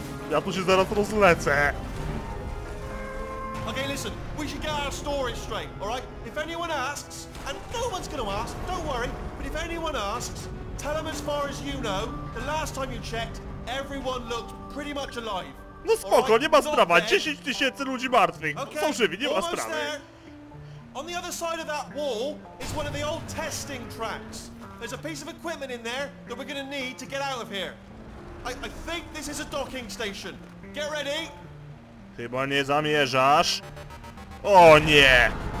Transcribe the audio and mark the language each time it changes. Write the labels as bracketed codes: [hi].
[pl] Ja tu się zaraz rozlecę. [en] Okay, listen, we should get our story straight, alright? If anyone asks, and no one's gonna ask, don't worry, but if anyone asks, tell them as far as you know, the last time you checked, everyone looked pretty much alive. [pl] No spoko, right? Nie ma sprawa, 10 tysięcy ludzi martwych, okay. Są żywi, nie [en] almost [pl] ma sprawy. [en] There. On the other side of that wall is one of the old testing tracks. There's a piece of equipment in there that we're gonna need to get out of here. I think this is a docking station. Get ready. [pl] Chyba nie zamierzasz. O nie!